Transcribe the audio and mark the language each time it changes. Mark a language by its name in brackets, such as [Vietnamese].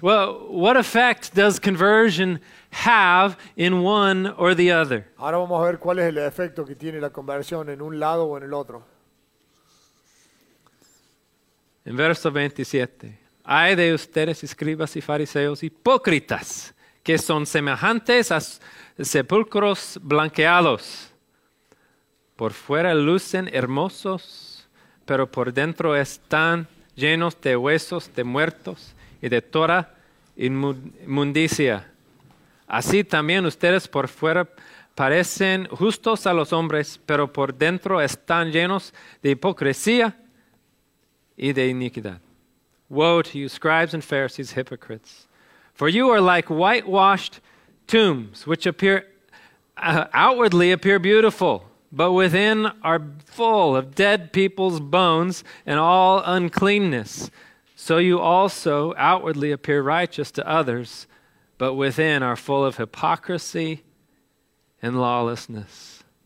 [English] Well, what effect does conversion have in one or the other? [Spanish] Ahora vamos a ver cuál es el efecto que tiene la conversión en un lado o en el otro. En verso 27. Ay de ustedes, escribas y fariseos hipócritas, que son semejantes a sepulcros blanqueados. Por fuera lucen hermosos, pero por dentro están llenos de huesos de muertos y de toda inmundicia. Así también ustedes por fuera parecen justos a los hombres, pero por dentro están llenos de hipocresía y de iniquidad. [English] Woe to you, scribes and Pharisees, hypocrites! For you are like whitewashed tombs, which appear outwardly appear beautiful, but within are full of dead people's bones and all uncleanness. So you also outwardly appear righteous to others, but within are full of hypocrisy and lawlessness.